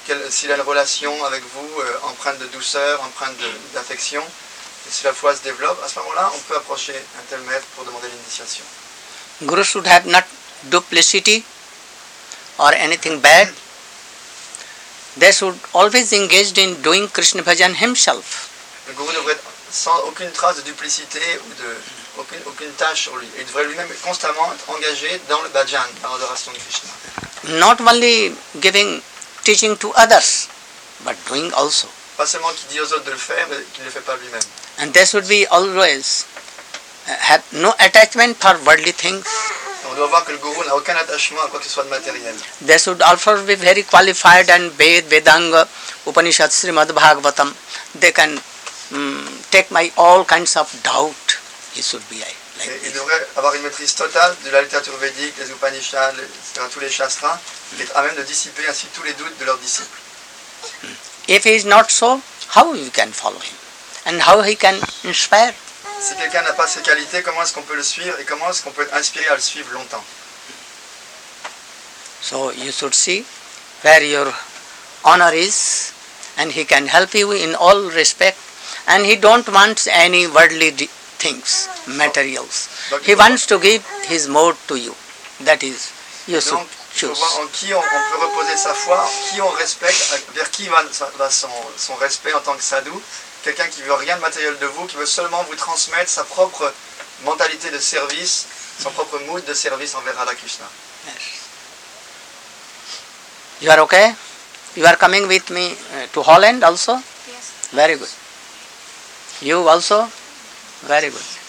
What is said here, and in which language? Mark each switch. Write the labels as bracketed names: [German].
[French] S'il a une relation avec vous empreinte de douceur, empreinte d'affection, et si la foi se développe, à ce moment-là, on peut approcher un tel maître pour demander l'initiation. [English] Guru should have not duplicity or anything bad. They should always engaged in doing Krishna bhajan himself. [French] Le guru devrait sans aucune trace de duplicité ou de aucune tâche sur lui. Il devrait lui-même constamment être engagé dans le bhajan, dans l'adoration de Krishna. [English] Not only giving teaching to others, but doing also. [French] Pas seulement qu'il dit aux autres de le faire, mais qu'il ne le fait pas lui-même. [English] And they should be always have no attachment for worldly things. [French] On doit voir que le guru n'a aucun attachement à quoi que ce soit de matériel. [English] They should also be very qualified and Vedanga, Upanishad, Srimad Bhagavatam. They can take my all kinds of doubt. He should be like [French] Il devrait avoir une maîtrise totale de la littérature védique, des Upanishads, etc., tous les shastras, et à même de dissiper ainsi tous les doutes de leurs disciples. [English] If he is not so, how we can follow him? And how he can inspire? [French] Si quelqu'un n'a pas ces qualités, comment est-ce qu'on peut le suivre et comment est-ce qu'on peut être inspiré à le suivre longtemps? [English] So you should see where your honor is, and he can help you in all respect, and he don't want any worldly things, materials. He wants to give his mode to you. That is, you should choose. [French] Donc, en qui on peut reposer sa foi, qui on respecte, vers qui va son respect en tant que sadhu. Quelqu'un qui veut rien de matériel de vous, qui veut seulement vous transmettre sa propre mentalité de service, son propre mood de service envers Radha Krishna. [English] Yes. You are okay? You are coming with me to Holland also? Yes. Very good. You also? Very good.